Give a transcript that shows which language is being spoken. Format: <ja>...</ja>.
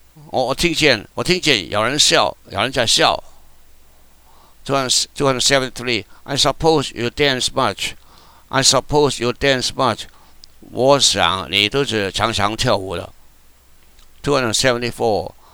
<zh>我听见有人笑，有人在笑。</zh> <en>273. I suppose you dance much. I suppose you dance much.</en> <zh>我想你都是常常跳舞的。274.</zh>